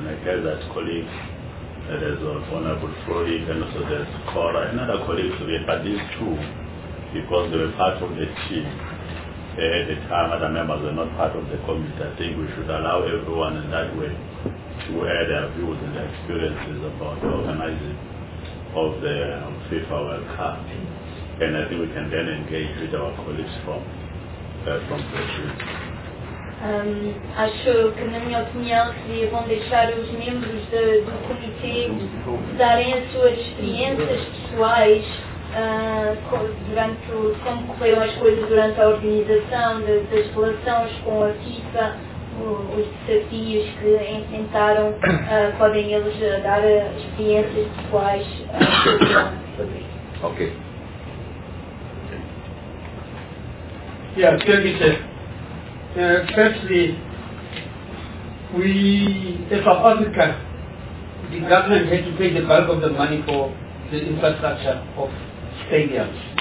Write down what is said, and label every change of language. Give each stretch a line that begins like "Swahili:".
English: And I guess that colleagues, there's Honorable Floyd, and also there's Cora, and other colleagues today, but these two, because they were part of the team at the time, other members were not part of the committee, I think we should allow everyone in that way to air their views and their experiences about the organizing of the FIFA World Cup. And I think we can then engage with our colleagues from the team.
Portuguese: Acho que, na minha opinião, seria bom deixar os membros do comitê darem as suas experiências pessoais como correram as coisas durante a organização, das relações com a FIFA, os desafios que enfrentaram, podem eles dar experiências pessoais sobre isso.
English: Ok. Yeah, firstly, we, as South Africa, the government had to pay the bulk of the money for the infrastructure of stadiums.